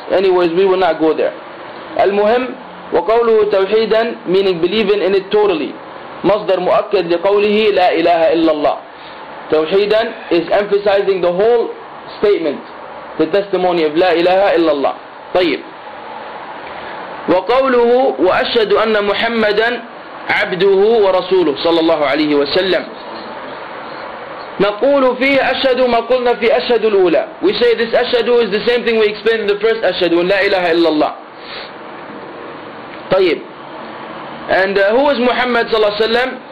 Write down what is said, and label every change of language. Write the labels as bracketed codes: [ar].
[en] Anyways, we will not go there. [ar] المهم وقوله توحيدا, [en] meaning believing in it totally. [ar] مصدر مؤكد لقوله لا إله إلا الله. [en] توحيدا is emphasizing the whole statement, the testimony of [ar] لا إله إلا الله. طيب. وقوله وأشهد أن محمدا عبده ورسوله صلى الله عليه وسلم. نقول فيه أشهد ما قلنا في أشهد الأولى. [en] We say this أشهد is the same thing we explained in the first أشهد, [ar] لا إله إلا الله. طيب. [en] And who is Muhammad صلى الله عليه وسلم?